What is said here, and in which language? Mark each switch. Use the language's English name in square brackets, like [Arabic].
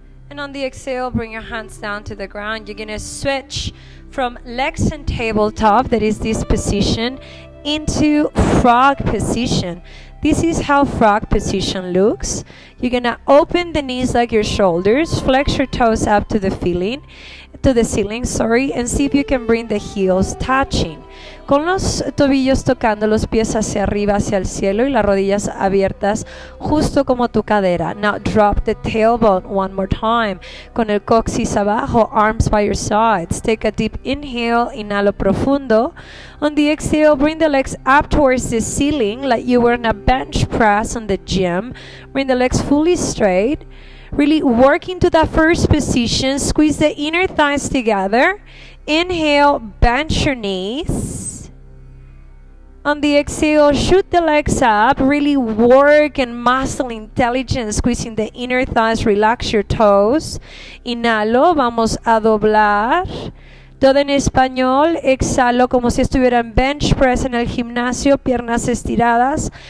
[English] And on the exhale, bring your hands down to the ground. You're going to switch from legs and tabletop, that is this position, into frog position. This is how frog position looks. You're gonna open the knees like your shoulders, flex your toes up to the ceiling, and see if you can bring the heels touching. [Spanish] Con los tobillos tocando, los pies hacia arriba, hacia el cielo, y las rodillas abiertas, justo como tu cadera. [English] Now drop the tailbone one more time. [Spanish] Con el coxis abajo, [English] arms by your sides. Take a deep inhale, [Spanish] inhalo profundo. [English] On the exhale, bring the legs up towards the ceiling, like you were in a bench press on the gym. Bring the legs fully straight. Really work into that first position. Squeeze the inner thighs together. Inhale, bend your knees. On the exhale, shoot the legs up, really work and muscle intelligence, squeezing the inner thighs, relax your toes. [Spanish] Inhalo, vamos a doblar. Todo en español, exhalo como si estuviera en bench press en el gimnasio, piernas estiradas.